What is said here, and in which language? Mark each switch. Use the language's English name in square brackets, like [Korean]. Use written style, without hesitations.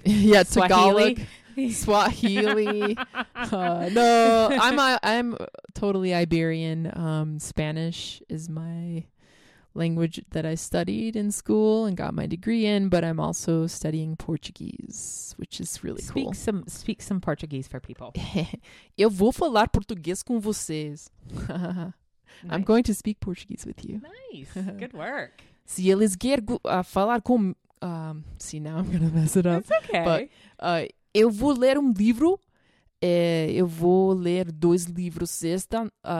[English] Yeah, Swahili. Tagalog. Swahili. No, I'm totally Iberian. Spanish is my language that I studied in school and got my degree in, but I'm also studying Portuguese, which is really cool. Speak some Portuguese for people. [Portuguese] Eu vou falar português com vocês. [English] Nice. I'm going to speak Portuguese with you. Nice. Good work. [Portuguese] Se eles quer falar com... [English] see, now I'm going to mess it up. It's okay. But [Portuguese] eu vou ler um livro. Eu vou ler dois livros sexta.